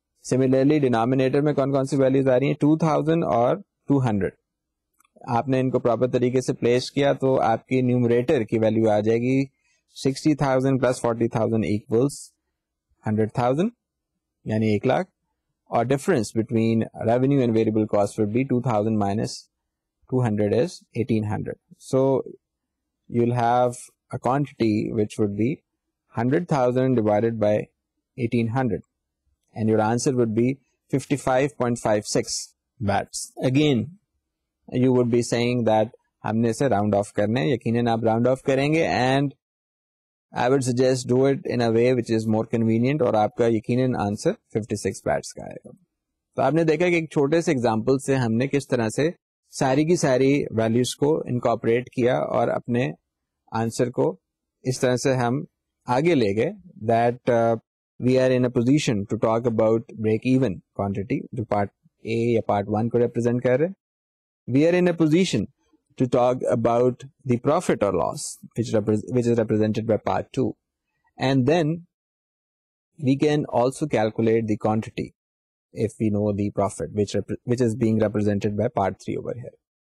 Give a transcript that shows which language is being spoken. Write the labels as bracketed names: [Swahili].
[Urdu] Similarly denominator میں کون کون سی ویلیوز آ رہی ہیں 2000 اور 200. آپ نے ان کو پراپر طریقے سے پلیس کیا تو آپ کی نیومریٹر کی ویلیو آ جائے گی 60,000 پلس 40,000 ایکولس 100,000 یعنی 1,00,000. [English] Or difference between revenue and variable cost would be 2000 minus 200 is 1800. So you'll have a quantity which would be 100,000 divided by 1800 and your answer would be 55.56 bats. Again you would be saying that [Urdu] humne ise round off karne, yakeenan aap round off karenge, [English] and I would suggest do it in a way which is more convenient [Urdu] اور آپ کا یقیناً answer 56 bats کا آئے گا. تو آپ نے دیکھا کہ ایک چھوٹے سے example سے ہم نے کس طرح سے ساری کی ساری values کو incorporate کیا اور اپنے answer کو اس طرح سے ہم آگے لے گئے [English] that we are in a position to talk about break-even quantity [Urdu] جو part A یا part 1 کو represent کر رہے. [English] We are in a position to talk about the profit or loss which is represented by part 2, and then we can also calculate the quantity if we know the profit which is being represented by part 3 over here.